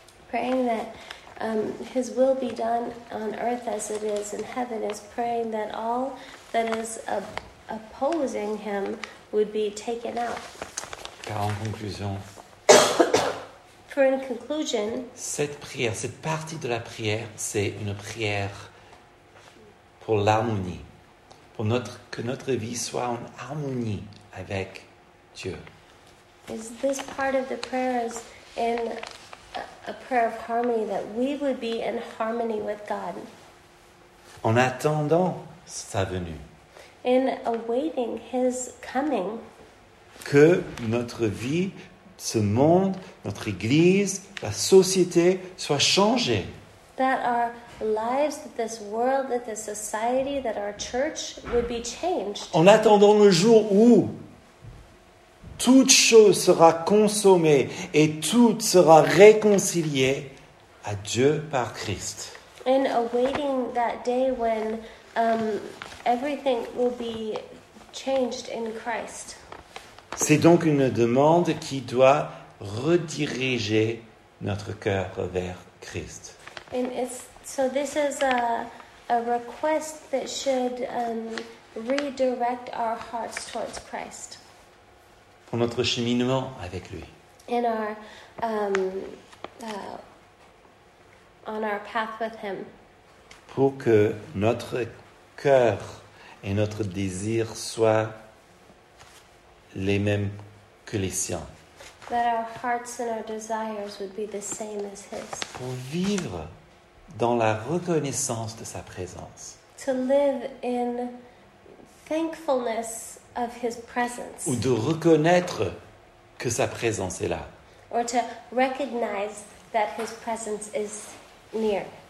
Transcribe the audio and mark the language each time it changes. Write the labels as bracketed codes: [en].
[en] Praying that his will be done on earth as it is in heaven is praying that all that is opposing him would be taken out. [fr] Car en conclusion, [en] in conclusion, [fr] cette prière, cette partie de la prière, c'est une prière pour l'harmonie, pour que notre vie soit en harmonie avec Dieu. [en] Is this part of the prayer is in a prayer of harmony that we would be in harmony with God? [fr] En attendant sa venue. [en] In awaiting his coming. [fr] Que notre vie, ce monde, notre église, la société soit changée. [en] That our lives, that this world, that this society, that our church would be changed. [fr] En attendant le jour où toute chose sera consommée et tout sera réconcilié à Dieu par Christ. [en] In awaiting that day when everything will be changed in Christ. [fr] C'est donc une demande qui doit rediriger notre cœur vers Christ. [en] And this is a request that should redirect our hearts towards Christ. [fr] Pour notre cheminement avec lui. [en] In our on our path with him. [fr] Pour que notre cœur et notre désir soient les mêmes que les siens. [en] That our hearts and our desires would be the same as his. [fr] Pour vivre dans la reconnaissance de sa présence. [en] To live in thankfulness of his presence. [fr] Ou de reconnaître que sa présence est là. [en] Or to recognize that his presence is near.